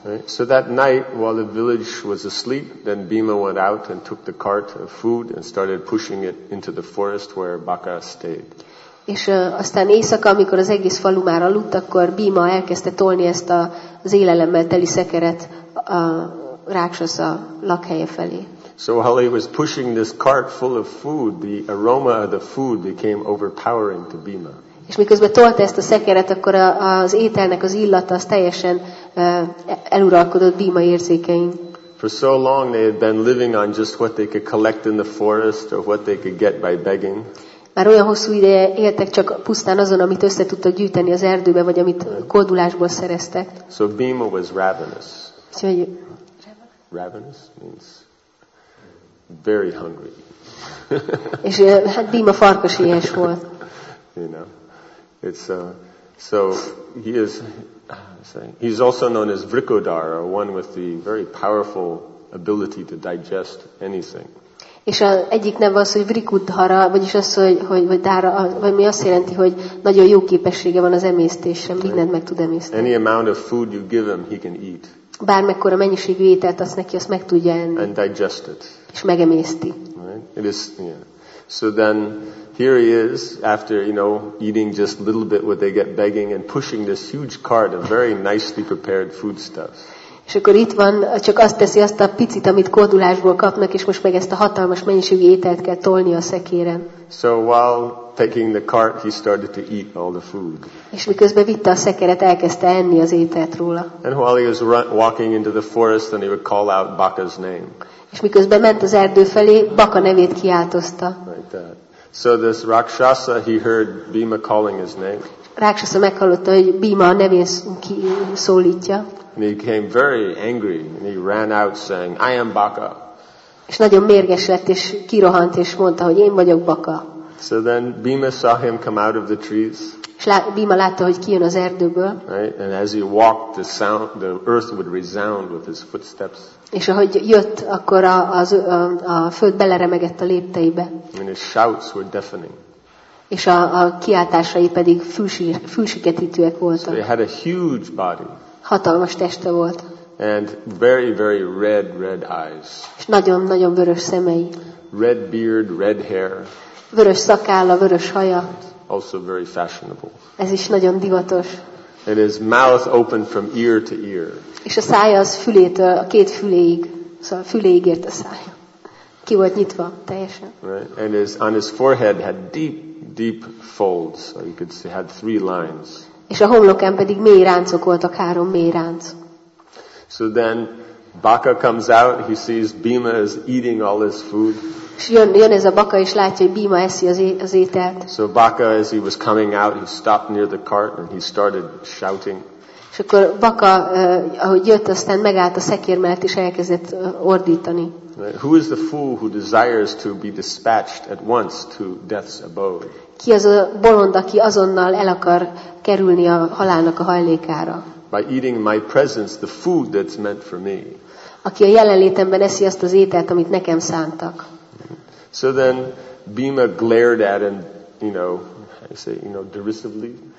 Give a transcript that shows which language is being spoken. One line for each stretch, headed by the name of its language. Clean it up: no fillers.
English: Right. So that night, while the village was asleep, then Bhima went out and took the cart of food and started pushing it into the forest where Baka stayed.
Hungarian: És aztán éjszaka, amikor az egész falu már aludt, akkor Bhima elkezdte tolni ezt az élelemmel teli szekeret a rákszasza lakhelye felé.
English: So while he was pushing this cart full of food, the aroma of the food became overpowering to Bhima.
Hungarian: És miközben tolta ezt a szekeret, akkor az ételnek az illata az teljesen eluralkodott Bhima érzékein.
English: For so long they had been living on just what they could collect in the forest or what they could get by begging.
Hungarian: Már olyan hosszú ideje éltek csak pusztán azon, amit össze tudtak gyűjteni az erdőbe, vagy amit kódulásból szereztek.
English: So Bhima was ravenous.
Hungarian: Szóval,
English: ravenous means very hungry.
Hungarian: És hát Bhima farkas éhes volt.
English: You know, it's so he is saying he's also known as Vrikodara, one with the very powerful ability to digest anything.
Hungarian: És az egyik neve az, hogy Vrikudhara, vagyis az, hogy dára, vagy mi azt jelenti, hogy nagyon jó képessége van az emésztésre, mindent meg tud emészteni.
English: Any amount of food you give him, he can eat.
Hungarian: Bármekkora mennyiségű ételt adsz neki, azt meg tudja enni.
English: And digest it.
Hungarian: És megemészti.
English: Right? It is, yeah. So then here he is after, you know, eating just a little bit what they get begging and pushing this huge cart of very nicely prepared foodstuffs.
Hungarian: És akkor itt van, csak azt teszi azt a picit, amit kódulásból kapnak, és most meg ezt a hatalmas mennyiségű ételt kell tolni a szekéren.
English: So while taking the cart, he started to eat all the food.
Hungarian: És miközben vitte a szekeret, elkezdte enni az ételt róla.
English: And while he was walking into the forest, then he would call out Baka's name.
Hungarian: És miközben ment az erdő felé, Baka nevét kiáltozta.
English: Like that. So this rakshasa, he heard Bhima calling his name.
Hungarian: Rakshasa meghallotta, hogy Bhima a nevén szólítja.
English: And he became very angry, and he ran out saying, "I am Baka."
Hungarian: És nagyon mérges lett, és kirohant, és mondta, hogy én vagyok Baka.
English: So then Bhima saw him come out of the trees.
Hungarian: És Bhima látta, hogy kijön az erdőből.
English: Right? And as he walked, the earth would resound with his footsteps.
Hungarian: És ahogy jött, akkor a föld beleremegett a lépteibe.
English: And his shouts were deafening.
Hungarian: És a kiáltásai pedig fülsiketítőek voltak.
English: So he had a huge body.
Hungarian: Hatalmas teste volt.
English: And very, very red eyes.
Hungarian: És nagyon-nagyon vörös szemei.
English: Red beard, red hair.
Hungarian: Vörös szakálla, vörös haja.
English: Also very fashionable.
Hungarian: Ez is nagyon divatos.
English: And his mouth open from ear to ear.
Hungarian: És a szája az fülétől, a két füléig. Szóval füléig ért a szája. Ki volt nyitva teljesen.
English: Right. And on his forehead had deep folds. So you could see, had three lines.
Hungarian: És a homlokán pedig mély ráncok voltak, három mély ránc.
English: So then Baka comes out, he sees Bhima is eating all his food.
Hungarian: És jön ez a Baka, és látja, hogy Bhima eszi az ételt.
English: So Baka, as he was coming out, he stopped near the cart, and he started shouting.
Hungarian: És akkor Baka, ahogy jött, aztán megállt a szekér mellett, és elkezdett ordítani.
English: Who is the fool who desires to be dispatched at once to death's abode?
Hungarian: Ki az a bolond, aki azonnal el akar kerülni a halálnak a hajlékára?
English: By eating my presence, the food that's meant for me.
Hungarian: Aki a jelenlétemben eszi azt az ételt, amit nekem szántak.
English: So then Bhima glared at him, you know, I say, you know, derisively.